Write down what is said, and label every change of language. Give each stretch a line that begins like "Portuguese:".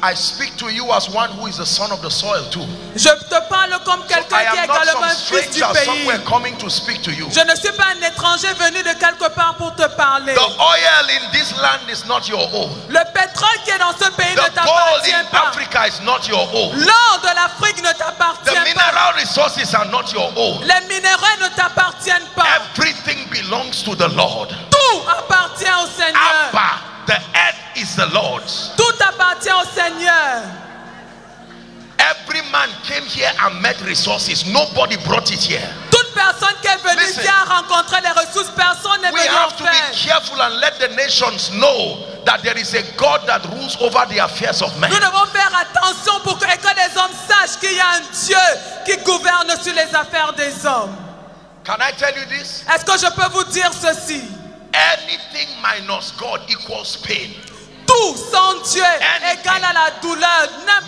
English: I speak to you as one who is the son of the soil too.
French: Je te parle comme quelqu'un qui est également fils du pays.
English: Somewhere coming to speak to you.
French: Je ne suis pas un étranger venu de quelque part pour te parler.
English: The oil in this land is not your own.
French: Le pétrole qui est dans ce pays
English: the
French: ne t'appartient pas.
English: Africa is not your own.
French: L'or de l'Afrique ne t'appartient pas.
English: Mineral resources are not your own.
French: Les minéraux ne t'appartiennent pas.
English: Everything belongs to the Lord.
French: Tout appartient au Seigneur.
English: Abba. The earth is the Lord's.
French: Tout appartient au Seigneur.
English: Every man came here and met resources. Nobody brought it here.
French: Toute personne qui est venue ici a rencontré les ressources. Personne n'est venu en fait.
English: We have to be careful and let the nations know that there is a God that rules over the affairs of men.
French: Nous devons faire attention pour que les hommes sachent qu'il y a un Dieu qui gouverne sur les affaires des hommes.
English: Can I tell you this?
French: Est-ce que je peux vous dire ceci?
English: Anything minus God equals pain.
French: Tout sans Dieu égale à la douleur. N'importe